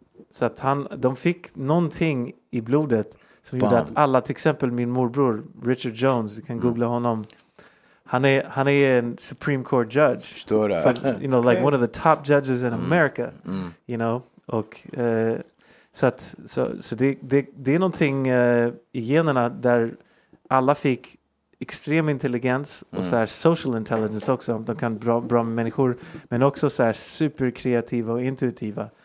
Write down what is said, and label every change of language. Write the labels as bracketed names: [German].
[Swedish] Så att han, de fick någonting i blodet som gjorde att alla, till exempel min morbror Richard Jones, du kan googla honom. Han är en Supreme Court judge. Förstår du? [English] You know, like one of the top judges in America. Mm. You know? [Swedish] Och så det är någonting i generna där alla fick extrem intelligens och så här [English] social intelligence [Swedish] också. De kan bra med människor, men också så här superkreativa och intuitiva.